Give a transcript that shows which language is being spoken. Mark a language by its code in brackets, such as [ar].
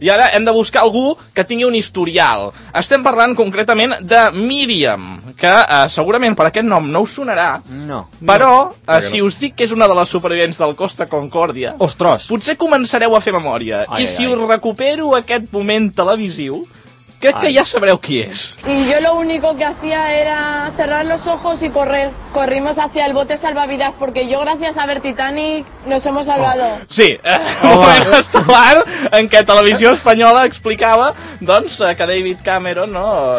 [ca] I ara hem de buscar algú que tingui un historial. Estem parlant concretament de Míriam, que segurament per aquest nom no us sonarà. No. Però, si us dic que és una de les supervivents del Costa Concòrdia... Ostres! Potser començareu a fer memòria. Ai. Us recupero aquest moment televisiu... Crec que ja sabreu qui és. [es] Y yo lo único que hacía era cerrar los ojos y correr. Corrimos hacia el bote salvavidas porque yo, gracias a ver Titanic, nos hemos salvado. Oh. [ca] Sí, un moment estel·lar en què Televisió Espanyola explicava doncs que David Cameron, no?